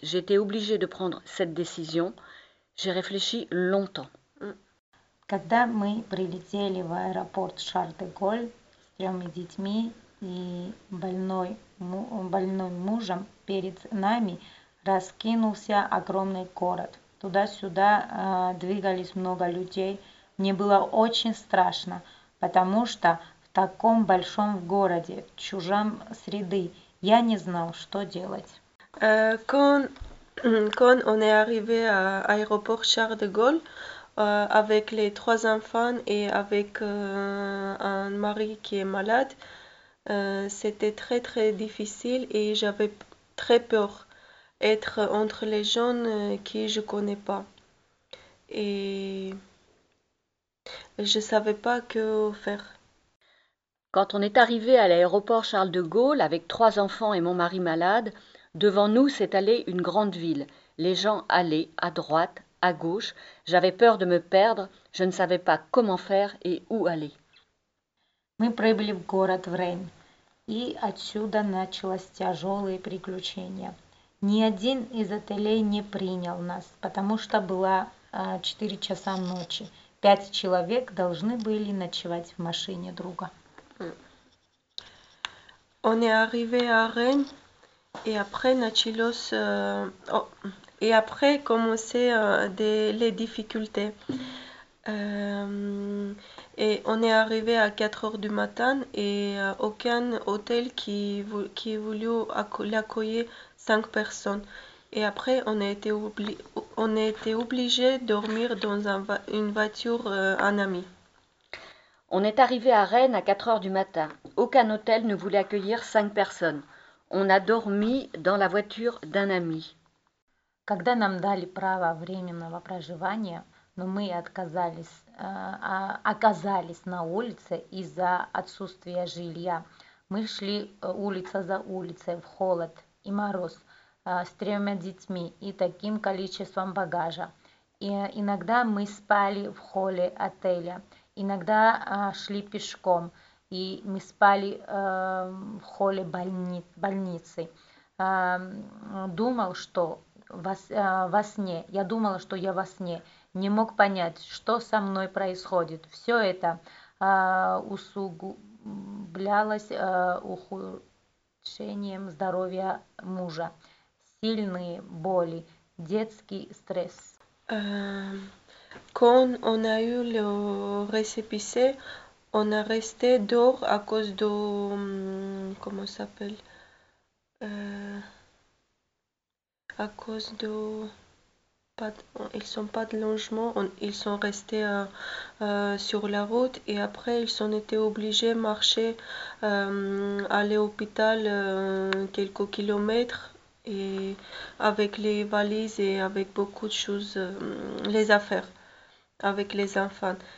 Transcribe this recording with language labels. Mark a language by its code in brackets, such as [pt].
[fr] J'étais obligée de prendre cette décision. J'ai réfléchi longtemps. Quand nous sommes arrivés à l'aéroport Charles-de-Gaulle, avec trois enfants et malade mari [ru] перед нами, раскинулся огромный город. Туда-сюда двигались много людей. Мне было очень страшно, потому что в таком большом городе, в чужом среды, я не знал, что делать. [fr] Quand on est arrivé à l'aéroport Charles de Gaulle avec les trois enfants et avec un mari qui est malade, c'était très très difficile et j'avais très peur. Être entre les gens qui je connais pas. Et je savais pas que faire. Quand on est arrivé à l'aéroport Charles de Gaulle avec trois enfants et mon mari malade, devant nous s'étalait une grande ville. Les gens allaient à droite, à gauche. J'avais peur de me perdre. Je ne savais pas comment faire et où aller. [ru] Мы прибыли в город Врейн, и отсюда началось тяжелое приключение. Ни один из отелей не принял нас, потому что было 4 часа ночи. 5 человек должны были ночевать в машине друга. [fr] On est arrivé à Rennes et après [ru] началось [fr] et après commencé les difficultés. Et on est arrivé à 4 heures du matin et aucun hôtel qui voulait l'accueillir 5 personnes. Et après, on a été obligé de dormir dans une voiture un ami. On est arrivé à Rennes à 4 heures du matin. Aucun hôtel ne voulait accueillir 5 personnes. On a dormi dans la voiture d'un ami. [ru] Когда нам дали право временного проживания, но мы оказались на улице из-за отсутствия жилья. Мы шли улица за улицей в холод и мороз с тремя детьми и таким количеством багажа. И иногда мы спали в холле отеля, иногда шли пешком, и мы спали в холле больницы. Думал, что во сне, я думала, что я во сне. Не мог понять, что со мной происходит. Все это усугублялось ухудшением здоровья мужа. Сильные боли, детский стресс. [fr] Quand on a eu le récépissé, on a resté dehors à cause de... Comment ça s'appelle? À cause de... Ils sont pas de logement, ils sont restés sur la route et après ils sont été obligés de marcher, aller à l'hôpital quelques kilomètres et avec les valises et avec beaucoup de choses, les affaires avec les enfants.